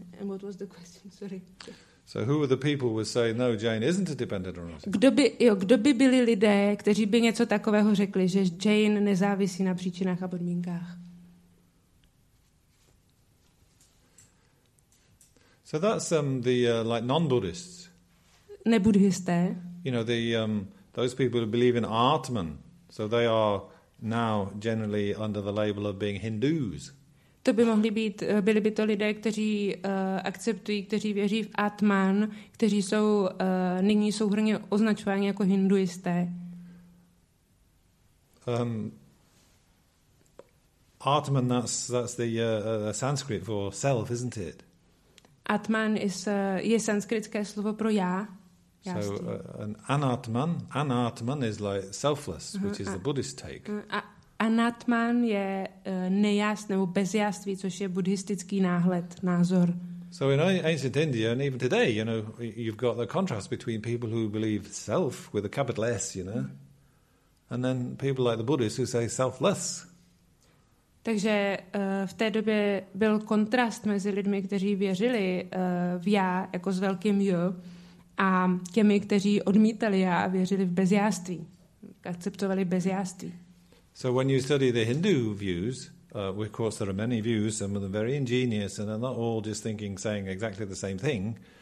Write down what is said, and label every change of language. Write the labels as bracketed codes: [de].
[en] And what was the question? Sorry. So who are the people who say no, Jane isn't a dependent arising? [cs] Kdo by byli lidé, kteří by něco takového řekli, že Jane nezávisí na příčinách a podmínkách? [en] So that's the like non-Buddhists. [cs] Nebuddhisté. [en] You know, those people who believe in Atman, so they are now generally under the label of being Hindus. [cs] To by mohli být, byli by to lidé, kteří akceptují, kteří věří v Atman, kteří jsou nyní souhrně označováni jako hinduisté. [en] Atman, that's the Sanskrit for self, isn't it? [cs] Atman je sanskritské slovo pro já. [en] So an Atman is like selfless, which is the Buddhist take. [cs] Anatman je nejasné nebo bezjáství, což je buddhistický náhled, názor. [en] So in ancient India and even today, you know, you've got the contrast between people who believe self with a capital S, you know, and then people like the Buddhists who say selfless. [cs] Takže v té době byl kontrast mezi lidmi, kteří věřili v já jako s velkým J a těmi, kteří odmítali já a věřili v bezjáství, akceptovali bezjáství. [en] So when you study the Hindu views, of course there are many views, some of them very ingenious, and they're not all just thinking, saying exactly the same thing.